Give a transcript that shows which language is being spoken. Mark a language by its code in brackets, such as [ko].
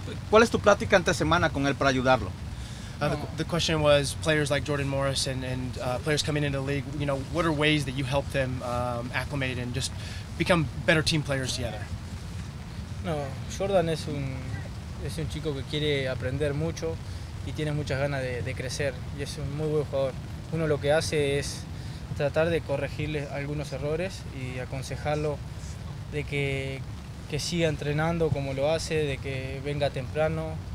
[es] ¿Cuál es tu plática entre semana con él para ayudarlo? [en] The question was players like Jordan Morris and players coming into the league, you know, what are ways that you help them acclimate and just become better team players together? [es] No, Jordan es un chico que quiere aprender mucho y tiene muchas ganas de crecer y es un muy buen jugador. Uno lo que hace es tratar de corregirle algunos errores y aconsejarlo de que siga entrenando como lo hace, de que venga temprano,